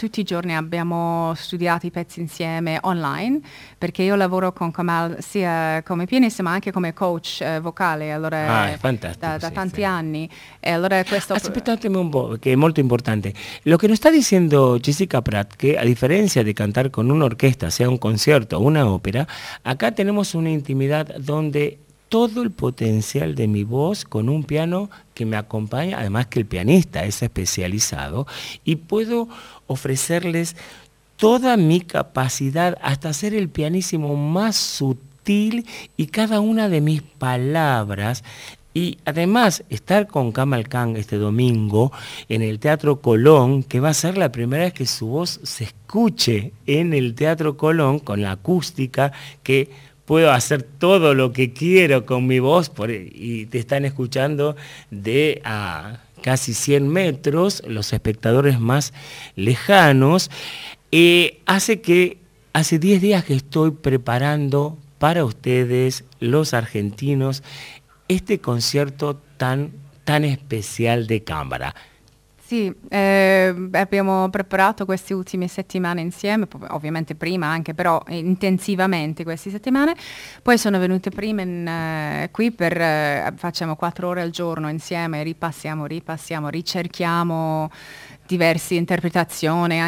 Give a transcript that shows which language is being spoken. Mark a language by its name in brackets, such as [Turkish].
[Italian] Tutti i giorni abbiamo studiato i pezzi insieme online, perché io lavoro con Kamal sia come pianista ma anche come coach vocale, allora è fantastico, da tanti anni. E allora questo aspettatemi un po', che è molto importante. [Spanish] Lo che nos está diciendo Jessica Pratt, que a diferencia de cantar con una orquesta, sea un concierto o una ópera, acá tenemos una intimidad donde todo el potencial de mi voz con un piano que me acompaña, además que el pianista es especializado, y puedo ofrecerles toda mi capacidad hasta ser el pianísimo más sutil y cada una de mis palabras. Y además, estar con Kamal Khan este domingo en el Teatro Colón, que va a ser la primera vez que su voz se escuche en el Teatro Colón con la acústica, que puedo hacer todo lo que quiero con mi voz, y te están escuchando de a casi 100 metros, los espectadores más lejanos. Hace 10 días que estoy preparando para ustedes, los argentinos, este concierto tan especial de cámara. [Italian] Sì, abbiamo preparato queste ultime settimane insieme, ovviamente prima anche, però intensivamente queste settimane. Poi sono venute prima qui per, facciamo 4 ore al giorno insieme, ripassiamo, ricerchiamo diverse interpretazioni.